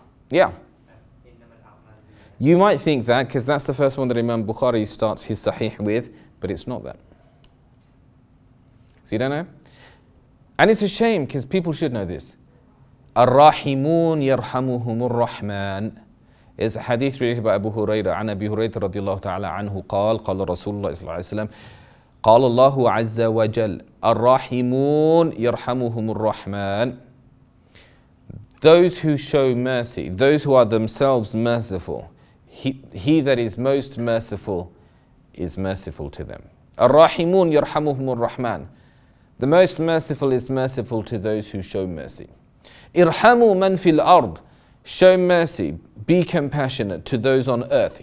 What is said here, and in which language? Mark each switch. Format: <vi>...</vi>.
<en>Yeah. You might think that, because that's the first one that Imam Bukhari starts his sahih with, but it's not that. So you don't know? And it's a shame, because people should know this.</en> <ar>الرحمون يرحمهم الرحمن</ar> <en>is a hadith related by Abu Huraira.</en> <ar>عن أبي هريرة رضي الله تعالى عنه قال قال رسول الله صلى الله عليه وسلم قال الله عز وجل الرحمون يرحمهم الرحمن.</ar> <en>Those who show mercy, those who are themselves merciful, he that is most merciful is merciful to them.</en> <ar>الرحمون يرحمهم الرحمن.</ar> <en>The most merciful is merciful to those who show mercy.</en> <ar>Irhamu man fil ard,</ar> <en>show mercy, be compassionate to those on earth.</en>